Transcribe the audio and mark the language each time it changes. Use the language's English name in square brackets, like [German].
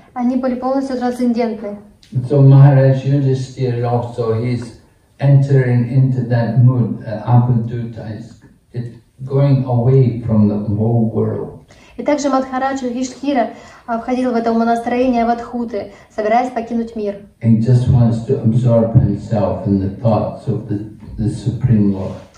[Russian] Они были полностью трансцендентны. [English] So Maharaj Yudhisthira also, he's entering into that mood, Avaduta, is going away from the whole world. [Russian] И также Мадхарадж Юдхиштхира входил в это умонастроение Аватхуты, собираясь покинуть мир. [English] He just wants to absorb himself in the thoughts of the Supreme Lord.